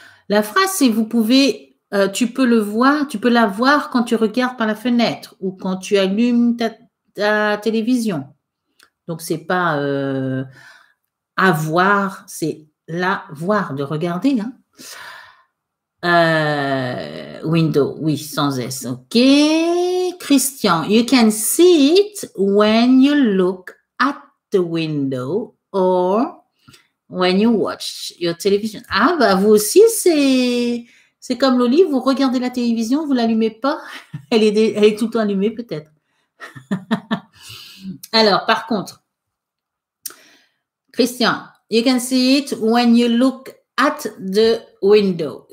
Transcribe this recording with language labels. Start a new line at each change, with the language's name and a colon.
French: La phrase, c'est vous pouvez, tu peux le voir, tu peux la voir quand tu regardes par la fenêtre ou quand tu allumes ta télévision. Donc, c'est pas avoir, c'est la voir, de regarder, hein. Window, oui, sans S. OK.
English: Christian, you can see it when you look at the window or when you watch your television.
French: Ah, bah, vous aussi, c'est comme Loli, vous regardez la télévision, vous l'allumez pas. Elle est tout le temps allumée, peut-être. Alors, par contre,
English: Christian, you can see it when you look at the window.